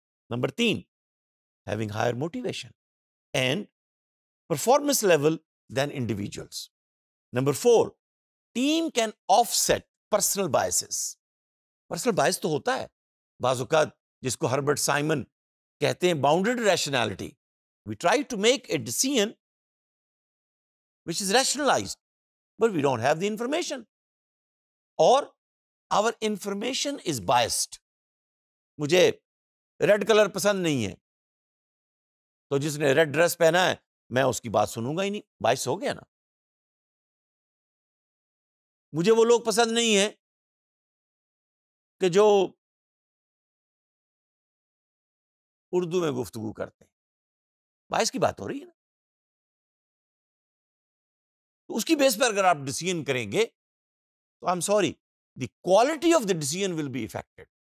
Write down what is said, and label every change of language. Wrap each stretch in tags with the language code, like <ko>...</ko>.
<en>Number تین, having higher motivation and performance level than individuals. Number four, team can offset personal biases.</en> <ur>Personal بائس تو ہوتا ہے بعض اوقات, جس کو ہربرٹ سائمن کہتے ہیں bounded rationality.</ur> <en>We try to make a decision which is rationalized but we don't have the information, اور our information is biased.</en> <ur>مجھے ریڈ کلر پسند نہیں ہے تو جس نے ریڈ ڈریس پہنا ہے میں اس کی بات سنوں گا ہی نہیں, بائس ہو گیا نا. مجھے وہ لوگ پسند نہیں ہیں کہ جو اردو میں گفتگو کرتے ہیں, بائس کی بات ہو رہی ہے نا. تو اس کی بیس پر اگر آپ ڈیسیژن کریں گے تو</ur> <en>I am sorry, the quality of the decision will be affected.</en>